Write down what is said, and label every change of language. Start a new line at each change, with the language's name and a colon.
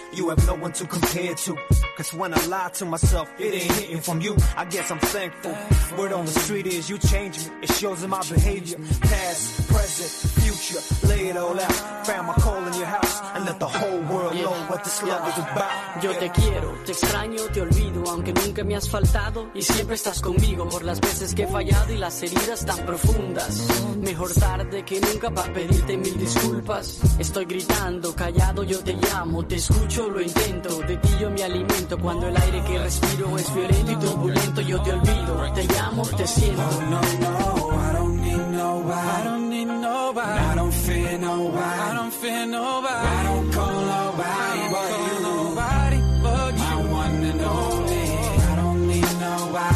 English: You have no one to compare to, 'cause when I lie to myself, it ain't hitting from you. I guess I'm thankful. Word on the street is you changed me. It shows in my behavior. Past, present, future, lay it all out. Found my call in your house and let the whole world know what this love is about.
Spanish: Yo te quiero, te extraño, te olvido, aunque nunca me has faltado y siempre estás conmigo. Por las veces que he fallado y las heridas tan profundas, mejor tarde que nunca para pedirte mil disculpas. Estoy gritando, callado, yo te llamo, te escucho, lo intento, de ti yo me alimento, cuando el aire que respiro es violento y turbulento, yo te olvido, te llamo, te siento.
English: Oh, no, no, I don't need nobody, I don't need nobody, I don't fear nobody, I don't fear nobody, I don't call nobody, I don't call but you, nobody but you, my one and only, I don't need nobody,